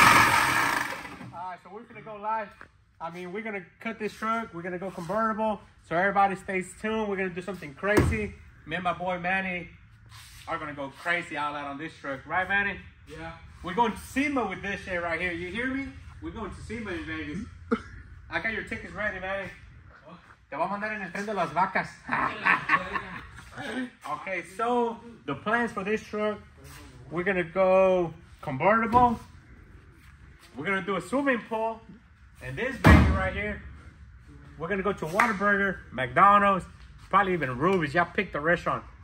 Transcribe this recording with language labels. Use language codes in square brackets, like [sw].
[en] All right, so we're going to go live. I mean, we're going to cut this truck. We're going to go convertible. So everybody stays tuned. We're going to do something crazy. Me and my boy Manny are going to go crazy all out on this truck. Right, Manny? Yeah. We're going to SEMA with this shit right here. You hear me? We're going to SEMA in Vegas. I got your tickets ready, man. [es] Te voy a mandar en el tren de las vacas. [en] Okay, so the plans for this truck, we're going to go convertible. We're going to do a swimming pool. And this baby right here, we're going to go to Whataburger, McDonald's, probably even Ruby's. Y'all pick the restaurant.